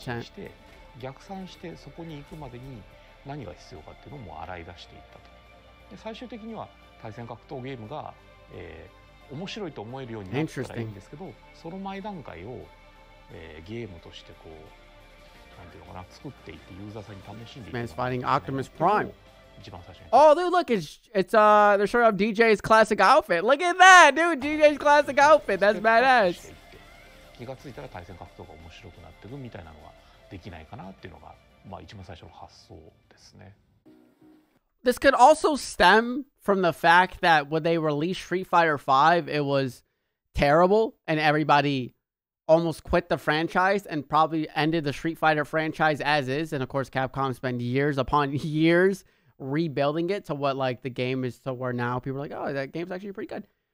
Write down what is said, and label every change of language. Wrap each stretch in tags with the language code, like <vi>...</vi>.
<ja>して逆算して、そこに行くまでに何が必要かっていうのも洗い出していったと。で、最終的には対戦格闘ゲームが、面白いと思えるようになったらいいんですけど、その前段階を、ゲームとしてこう、なんていうのかな、作っていってユーザーさんに楽しんでい</ja> <en>く。Man's fighting Optimus Prime. Oh, dude, look, they're showing off DJ's classic outfit. Look at that, dude! DJ's classic outfit. That's badass.</en> <ja>気がついたら対戦格闘が面白くなっていくみたいなのはできないかなっていうのが、まあ、一番最初の発想ですね。</ja> <en>This could also stem from the fact that when they released Street Fighter V, it was terrible and everybody almost quit the franchise and probably ended the Street Fighter franchise as is. And of course, Capcom spent years upon years rebuilding it to what like the game is to where now people are like, oh, that game's actually pretty good.</en>